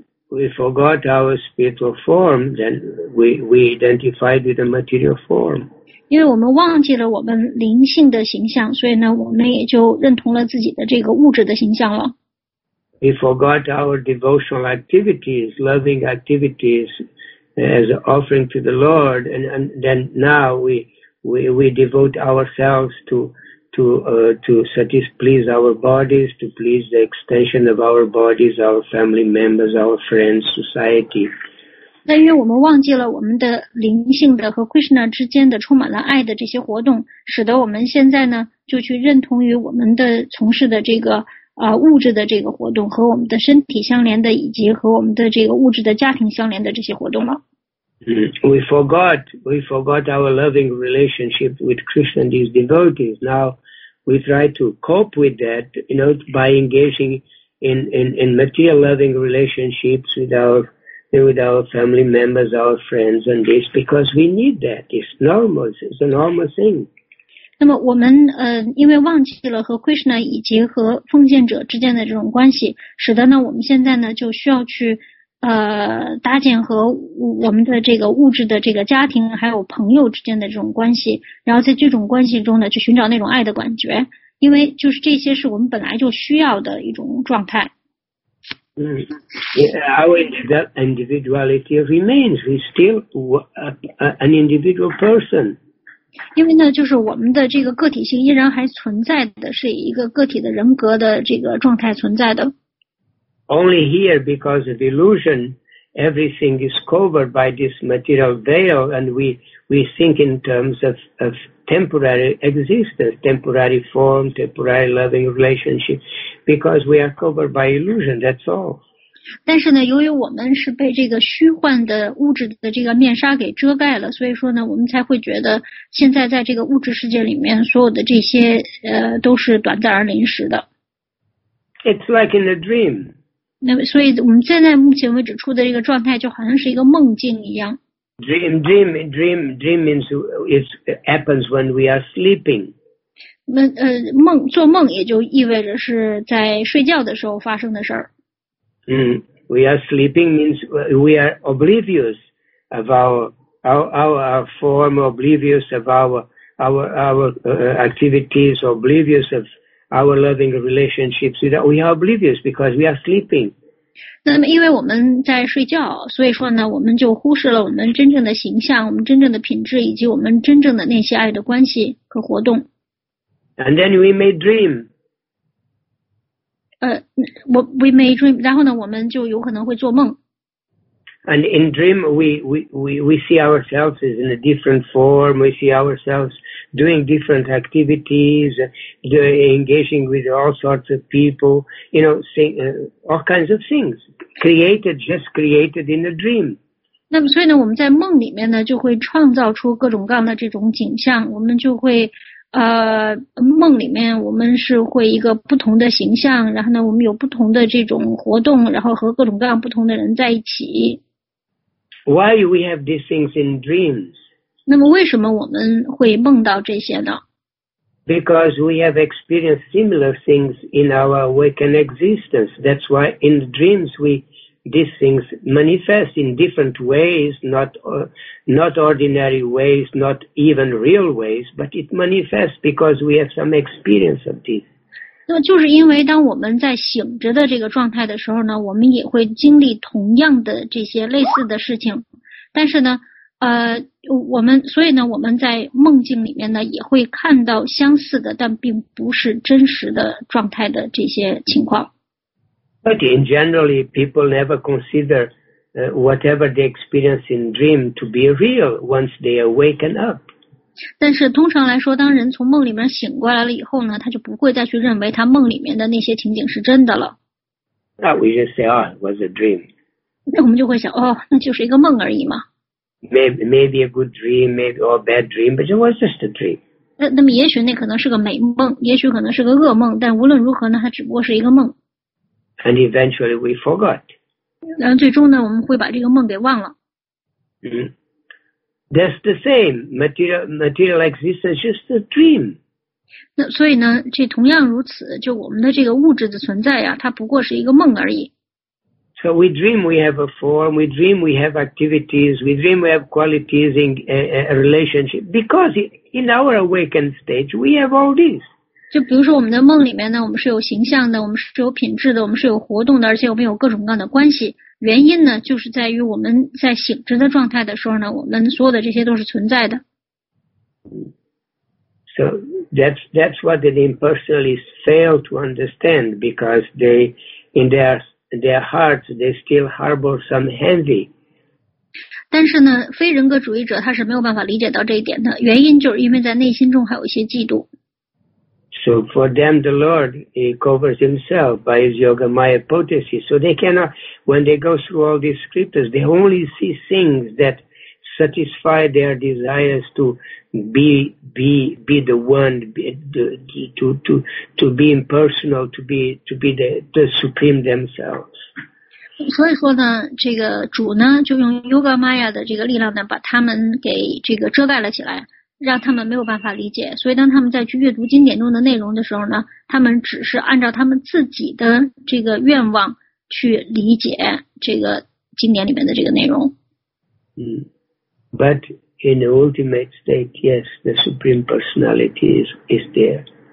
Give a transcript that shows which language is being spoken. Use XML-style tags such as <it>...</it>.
<en>We forgot our spiritual form, then we identified with the material form.</en> <zh>因为我们忘记了我们灵性的形象，所以呢，我们也就认同了自己的这个物质的形象了。</zh> <en>We forgot our devotional activities, loving activities, as offering to the Lord, and then now we devote ourselves to satisfy our bodies, to please the extension of our bodies, our family members, our friends, society.</en> <zh>那因为我们忘记了我们的灵性的和 Krishna 之间的充满了爱的这些活动，使得我们现在呢就去认同于我们的从事的这个物质的这个活动和我们的身体相连的以及和我们的这个物质的家庭相连的这些活动了。</zh> <en>We forgot our loving relationship with Krishna and his devotees. Now we try to cope with that, you know, by engaging in material loving relationships with our family members, our friends, and this because we need that. It's normal. It's a normal thing.</en> <zh>那么我们因为忘记了和 Krishna 以及和奉献者之间的这种关系，使得呢我们现在呢就需要去搭建和我们的这个物质的这个家庭还有朋友之间的这种关系，然后在这种关系中呢去寻找那种爱的感觉，因为就是这些是我们本来就需要的一种状态。</zh> <en>Our individuality remains. We still an individual person.</en> <zh>因为呢就是我们的这个个体性依然还存在的，是一个个体的人格的这个状态存在的。</zh> <en>Only here, because of illusion, everything is covered by this material veil, and we think in terms of temporary existence, temporary form, temporary loving relationship, because we are covered by illusion, that's all.</en> <zh>但是呢，由于我们是被这个虚幻的物质的这个面纱给遮盖了，所以说呢，我们才会觉得现在在这个物质世界里面，所有的这些都是短暂而临时的。</zh> <en>It's like in a dream.</en> <zh>那所以我们现在目前为止处的这个状态就好像是一个梦境一样。</zh> <en>Dream means it happens when we are sleeping.</en> <zh>梦做梦也就意味着是在睡觉的时候发生的事儿。</zh> <en>We are sleeping means we are oblivious of our form, oblivious of our activities, oblivious of our loving relationships. We are oblivious because we are sleeping.</en> <zh>那么因为我们在睡觉，所以说呢我们就忽视了我们真正的形象，我们真正的品质，以及我们真正的那些爱的关系和活动。</zh> <en>And then we may dream. We may dream.</en> <zh>然后呢我们就有可能会做梦。</zh> <en>And in dream, we see ourselves in a different form. We see ourselves doing different activities, engaging with all sorts of people, you know, all kinds of things created in a dream.</en> <zh>那么所以呢我们在梦里面呢就会创造出各种各样的这种景象，我们就会梦里面我们是会一个不同的形象，然后呢我们有不同的这种活动，然后和各种各样不同的人在一起。</zh> <en>Why do we have these things in dreams?</en> <zh>那么为什么我们会梦到这些呢？</zh> <en>Because we have experienced similar things in our awakened existence. That's why in dreams these things manifest in different ways, not ordinary ways, not even real ways, but it manifests because we have some experience of this.</en> <zh>那么就是因为当我们在醒着的这个状态的时候呢，我们也会经历同样的这些类似的事情，但是呢我们所以呢我们在梦境里面呢也会看到相似的但并不是真实的状态的这些情况。</zh> <en>But in generally people never consider whatever they experience in dream to be real once they awaken up.</en> <zh>但是通常来说，当人从梦里面醒过来了以后呢，他就不会再去认为他梦里面的那些情景是真的了。</zh> <en>We just say, "Oh, it was a dream."</en> <zh>那我们就会想，哦，那就是一个梦而已嘛。</zh> <en>Maybe a good dream, maybe or bad dream, but it was just a dream.</en> <zh>那么也许那可能是个美梦，也许可能是个噩梦，但无论如何呢，它只不过是一个梦。</zh> <en>And eventually we forgot.</en> <zh>然后最终呢，我们会把这个梦给忘了。</zh> <en>That's the same. Material existence is just a dream.</en> <zh>那所以呢，这同样如此，就我们的这个物质的存在呀，它不过是一个梦而已。</zh> <en>So we dream we have a form, we dream we have activities, we dream we have qualities in a relationship. Because in our awakened stage, we have all these.</en> <zh>就比如说我们的梦里面呢，我们是有形象的，我们是有品质的，我们是有活动的，而且我们有各种各样的关系。原因呢就是在于我们在醒着的状态的时候呢，我们所有的这些都是存在的。</zh> <en>So that's what the impersonalists fail to understand, because they in their hearts they still harbor some envy.</en> <zh>但是呢，非人格主义者他是没有办法理解到这一点的，原因就是因为在内心中还有一些嫉妒。</zh> <en>So for them, the Lord he covers himself by his yoga maya potency. So they cannot, when they go through all these scriptures, they only see things that satisfy their desires to be the one, to be impersonal, to be the supreme themselves.</en> <zh>所以说呢，这个主呢就用 yoga maya 的这个力量呢，把他们给这个遮盖了起来。让他们没有办法理解，所以当他们在去阅读经典中的内容的时候呢，他们只是按照他们自己的这个愿望去理解这个经典里面的这个内容。</zh> <en>嗯 ，But in the ultimate state, yes, the supreme personality is there.</en>